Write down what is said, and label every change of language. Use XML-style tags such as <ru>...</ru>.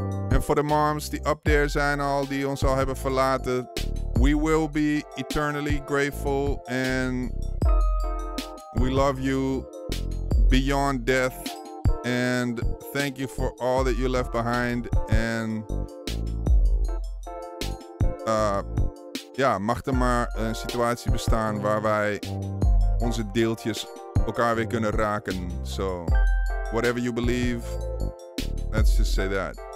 <en>And for the moms die up there zijn al,</en> <nl>die ons al hebben verlaten,</nl> <en>we will be eternally grateful and we love you beyond death. And thank you for all that you left behind.</en> <nl>And ja, mag er maar een situatie bestaan waar wij onze deeltjes elkaar weer kunnen raken.</nl> <en>So, whatever you believe, let's just say that.</en>